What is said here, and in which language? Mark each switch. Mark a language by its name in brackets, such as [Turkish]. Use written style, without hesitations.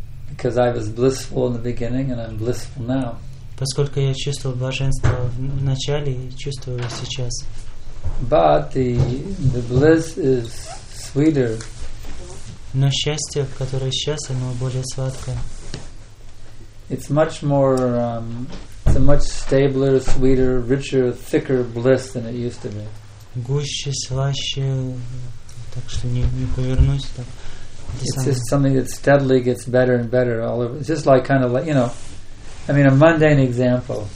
[English] Because I was blissful in the beginning and I'm blissful now. [Russian] Поскольку я чувствовал блаженство в начале и чувствую сейчас. [English] But the bliss is sweeter. [Russian] Но счастье, которое сейчас, оно более сладкое. [English] It's much more, it's a much stabler, sweeter, richer, thicker bliss than it used to be. [Russian] Гуще, слаще, так что не повернусь так. [English] It's just something that steadily gets better and better. All over. It's just like kind of like, you know, I mean, a mundane example.